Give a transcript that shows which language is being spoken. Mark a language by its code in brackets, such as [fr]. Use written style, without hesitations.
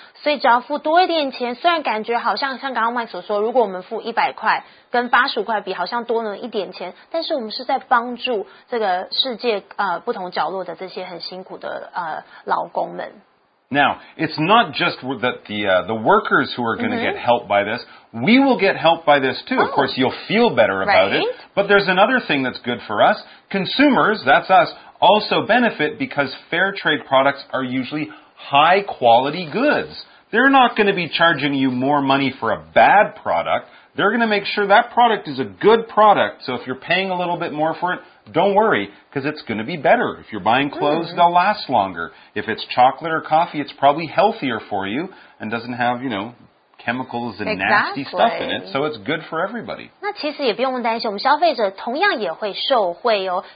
[zh] 所以只要付多一点钱，虽然感觉好像像刚刚 Mike 所说，如果我们付100块跟85块比，好像多了一点钱，但是我们是在帮助这个世界不同角落的这些很辛苦的劳工们。 [en] Now, it's not just that the workers who are going to get help by this. We will get help by this, too. Oh. Of course, you'll feel better about it. But there's another thing that's good for us. Consumers, that's us, also benefit because fair trade products are usually high-quality goods. They're not going to be charging you more money for a bad product. They're going to make sure that product is a good product. So if you're paying a little bit more for it,Don't worry, because it's going to be better. If you're buying clothes, they'll last longer. If it's chocolate or coffee, it's probably healthier for you and doesn't have, chemicals and nasty stuff in it. So it's good for everybody. [zh] 那其实也不用担心，我们消费者同样也会受惠哦。